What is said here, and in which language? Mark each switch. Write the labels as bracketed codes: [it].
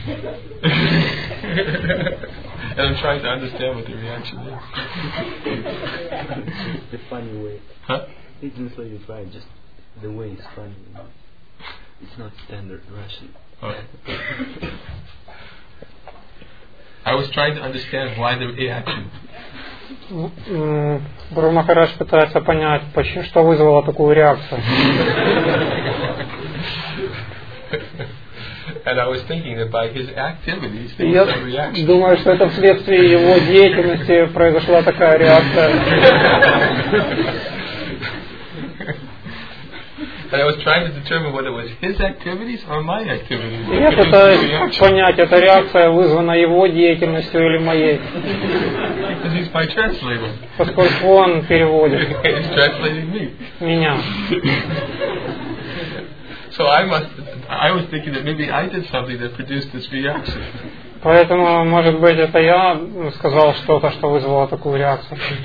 [en] And I'm trying to understand what the reaction is. The funny way. Huh? It didn't say it's right, just the way it's funny. It's not standard Russian. I was trying to understand why the reaction. [ru] Гуру Махарадж пытается понять, что вызвало такую реакцию. [en] And I was thinking that by his activities there was some reaction. [ru] Думаю, что это вследствие его деятельности произошла такая реакция. [en] And I was trying to determine whether it was his activities or my activities. [ru] Я пытаюсь понять, эта реакция вызвана его деятельностью или моей. [en] Because he's my translator. [ru] Поскольку он переводит. [en] He's translating me. [ru] Меня. [en] So I was thinking that maybe I did something that produced this reaction. [ru] Поэтому, может быть, это я сказал что-то, что вызвало такую реакцию.